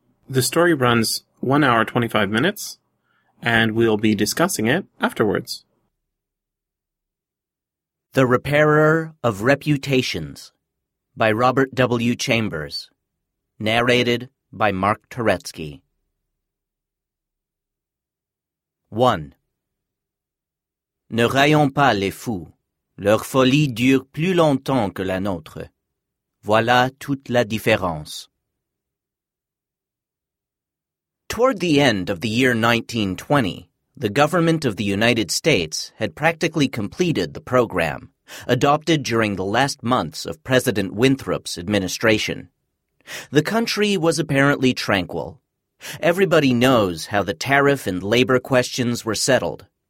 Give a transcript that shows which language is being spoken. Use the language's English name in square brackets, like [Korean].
[English] The story runs 1 hour 25 minutes, and we'll be discussing it afterwards. The Repairer of Reputations by Robert W. Chambers, narrated by Mark Turetsky. 1. [French] Ne raillons pas les fous. Leur folie dure plus longtemps que la nôtre. Voilà toute la différence. [English] Toward the end of the year 1920, the government of the United States had practically completed the program, adopted during the last months of President Winthrop's administration. The country was apparently tranquil. Everybody knows how the tariff and labor questions were settled.